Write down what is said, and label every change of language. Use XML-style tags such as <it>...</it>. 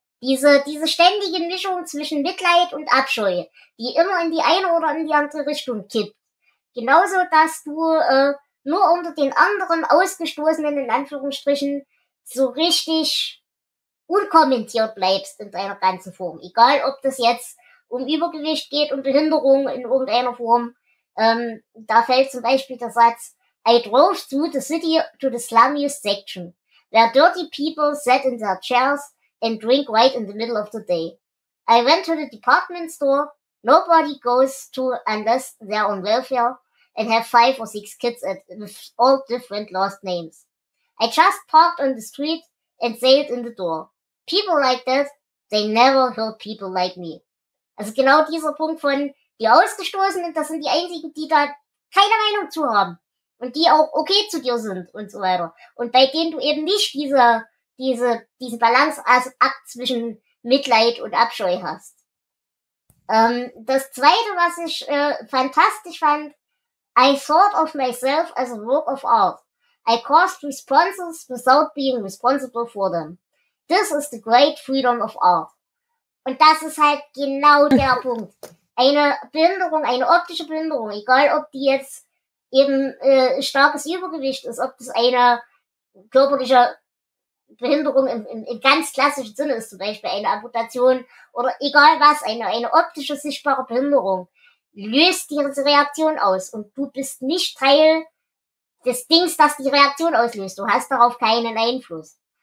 <de>Diese ständige Mischung zwischen Mitleid und Abscheu, die immer in die eine oder in die andere Richtung kippt. Genauso, dass du nur unter den anderen Ausgestoßenen, in Anführungsstrichen, so richtig unkommentiert bleibst in deiner ganzen Form. Egal, ob das jetzt um Übergewicht geht, um Behinderung in irgendeiner Form. Da fällt zum Beispiel der Satz,</de> <en>I drove through the city to the slummiest section, where dirty people sat in their chairs and drink right in the middle of the day. I went to the department store nobody goes to unless they're on welfare and have 5 or 6 kids with all different last names. I just parked on the street and sailed in the door. People like that, they never hurt people like me.</en> <de>Also genau dieser Punkt von die Ausgestoßenen, das sind die einzigen, die da keine Meinung zu haben und die auch okay zu dir sind und so weiter. Und bei denen du eben nicht diesen Balanceakt zwischen Mitleid und Abscheu hast. Das zweite, was ich fantastisch fand,</de> <en>I thought of myself as a work of art. I caused responses without being responsible for them. This is the great freedom of art.</en> <de>Und das ist halt genau der Punkt. Eine Behinderung, eine optische Behinderung, egal ob die jetzt eben starkes Übergewicht ist, ob das eine körperliche Behinderung im ganz klassischen Sinne ist, zum Beispiel eine Amputation oder egal was, eine optische sichtbare Behinderung, löst diese Reaktion aus und du bist nicht Teil des Dings, das die Reaktion auslöst. Du hast darauf keinen Einfluss.</de>